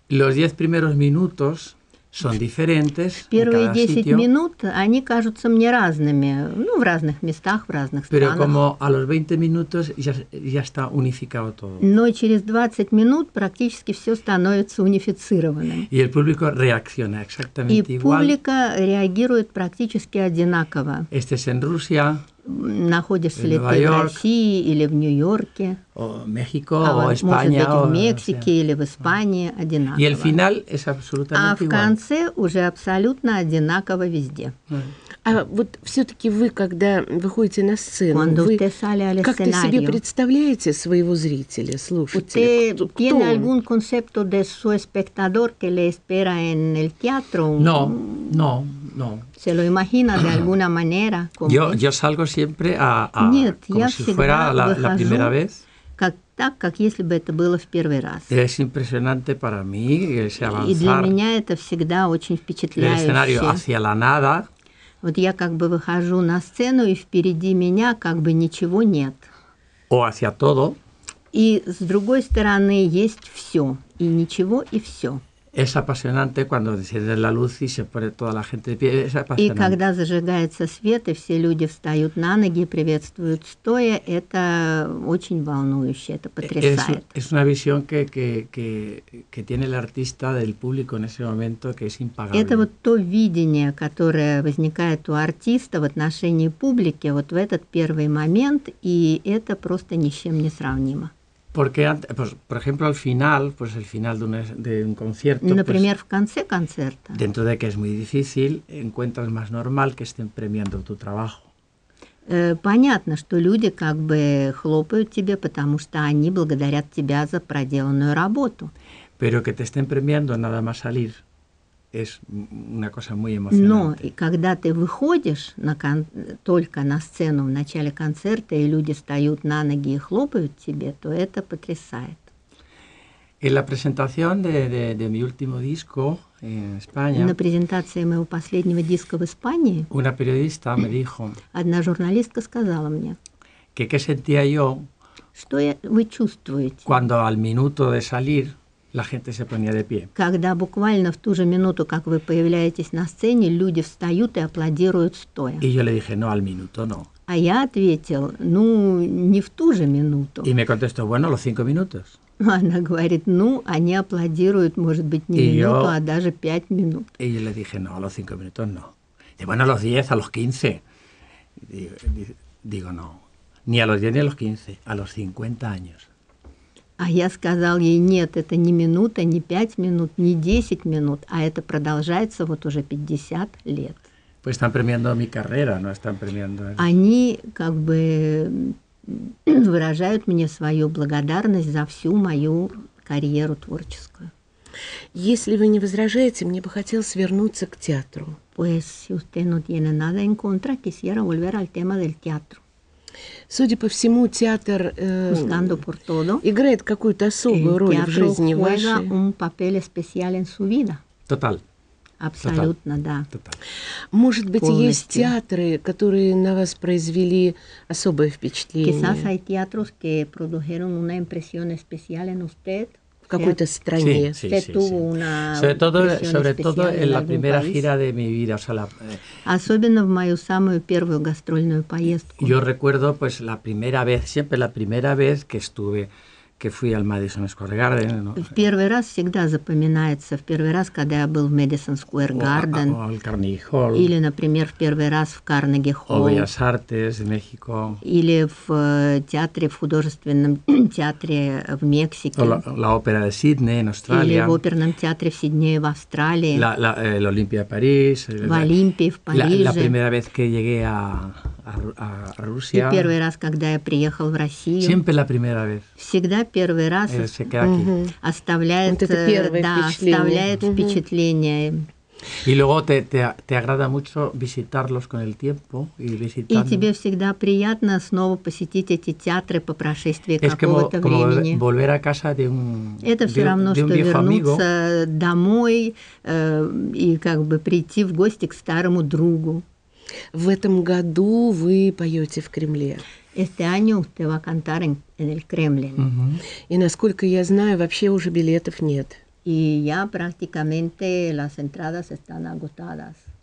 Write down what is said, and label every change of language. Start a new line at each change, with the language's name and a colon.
Spanish: Los 10 primeros minutos… Son diferentes.
Russian: Первые 10 минут, они кажутся мне разными, ну, в разных местах, в разных странах.
Spanish: Pero como a los 20 minutos ya está unificado todo.
Russian: Но через 20 минут практически все становится унифицированным.
Spanish: Y el público reacciona exactamente y igual.
Russian: И публика реагирует практически одинаково.
Spanish: Estés en Rusia,
Russian: находишься ли ты в России или в Нью-Йорке.
Spanish: O México, o España,
Russian: может быть, в Мексике или в Испании, одинаково.
Spanish: Y el final es absolutamente igual.
Russian: А в конце уже абсолютно одинаково везде. А вот все-таки вы, когда выходите на сцену,
Spanish: cuando
Russian: вы
Spanish: usted sale al escenario,
Russian: как-то себе представляете своего зрителя, слушателя?
Spanish: Usted tiene algún concepto de su espectador que le espera en el teatro? No. ¿Se lo imagina de alguna manera? Yo salgo siempre como si fuera la primera vez.
Russian: Так, как если бы это было в первый раз.
Spanish: Es impresionante para mí ese avanzar.
Russian: И для меня это всегда очень впечатляюще.
Spanish: El escenario hacia la nada.
Russian: Вот я как бы выхожу на сцену, и впереди меня как бы ничего нет.
Spanish: O hacia todo.
Russian: И с другой стороны есть все. И ничего, и все.
Spanish: Es apasionante cuando enciende la luz y se pone toda la gente de pie. Es apasionante.
Russian: И когда зажигается свет, и все люди встают на ноги, приветствуют стоя, это очень волнующе, это потрясает.
Spanish: Es una visión que tiene el artista del público en ese momento, que es impagable.
Russian: Это вот то видение, которое возникает у артиста в отношении публики вот в этот первый момент, и это просто ни с чем не сравнимо.
Spanish: Porque antes, pues, por ejemplo, al final, pues el final de un concierto,
Russian: например,
Spanish: pues,
Russian: в конце концерта.
Spanish: Dentro de que es muy difícil, encuentras más normal que estén premiando tu trabajo.
Russian: Понятно, что люди как бы хлопают тебе, потому что они благодарят тебя за проделанную работу.
Spanish: Pero que te estén premiando nada más salir es una cosa muy emocionante.
Russian: Но и когда ты выходишь только на сцену в начале концерта, и люди встают на ноги и хлопают тебе, то это потрясает.
Spanish: En la presentación de mi último disco en España.
Russian: На презентации моего последнего диска в Испании.
Spanish: Una periodista me dijo.
Russian: Одна журналистка сказала мне.
Spanish: ¿Qué sentía yo?
Russian: Что вы чувствуете?
Spanish: Cuando al minuto de salir la gente se ponía de pie.
Russian: Когда буквально в ту же минуту, как вы появляетесь на сцене, люди встают и аплодируют стоя.
Spanish: Y yo le dije, no, al minuto, no.
Russian: А я ответил, ну, не в ту же минуту.
Spanish: Y me contestó, bueno, los cinco minutos.
Russian: Она говорит, ну, они аплодируют, может быть, не минуту, а даже пять минут.
Spanish: Y yo le dije, no, a los cinco minutos, no. Y bueno, a los 10, a los 15. Digo, no, ni a los 10 ni a los 15, a los 50 años.
Russian: А я сказал ей, нет, это не минута, не 5 минут, не 10 минут, а это продолжается вот уже 50 лет.
Spanish: Pues están premiando mi carrera, ¿no? Están premiando...
Russian: Они как бы выражают мне свою благодарность за всю мою карьеру творческую. Если вы не возражаете, мне бы хотелось вернуться к театру.
Spanish: Pues si usted no tiene nada en contra, quisiera volver al tema del teatro.
Russian: Судя по всему, театр играет какую-то особую роль в жизни вашей.
Spanish: Juega un papel especial en su vida. Total.
Russian: Абсолютно,
Spanish: Total.
Russian: Да.
Spanish: Total.
Russian: Может быть, полностью. Есть театры, которые на вас произвели особое впечатление?
Spanish: Quizás hay teatros que produjeron una impresión especial en usted.
Russian: В какой-то стране.
Spanish: Sí, sí, sí, sí. Sobre todo en la primera gira de mi vida.
Russian: Особенно в мою самую первую гастрольную поездку.
Spanish: Yo recuerdo pues la primera vez, siempre la primera vez que estuve, que fui al Madison Square Garden. ¿No?
Russian: В первый раз всегда запоминается, в первый раз, когда я был в Madison Square Garden.
Spanish: O al Carnegie Hall.
Russian: Или, например, в первый раз в Carnegie Hall.
Spanish: O Bellas Artes de México.
Russian: Или в театре, в художественном театре в Мексике.
Spanish: La ópera de Sydney en Australia.
Russian: Или в оперном театре в Сиднее в Австралии.
Spanish: La Olympia de París.
Russian: В Олимпии, в Париже.
Spanish: La primera vez que llegué a... A Rusia.
Russian: И первый раз, когда я приехал в Россию.
Spanish: Siempre la primera vez.
Russian: Всегда первый раз оставляет, вот да, оставляет впечатление.
Spanish: Y luego te agrada mucho visitarlos con el tiempo y visitar.
Russian: И тебе всегда приятно снова посетить эти театры по прошествии
Spanish: es
Russian: какого-то
Spanish: como,
Russian: времени.
Spanish: Como volver a casa de un,
Russian: это все равно,
Spanish: de un
Russian: что вернуться
Spanish: amigo.
Russian: Домой и как бы прийти в гости к старому другу. В этом году вы поете в Кремле.
Spanish: Este año usted va a cantar en el Kremlin. Uh-huh.
Russian: И насколько я знаю, вообще уже билетов нет.
Spanish: Y ya prácticamente las entradas están agotadas.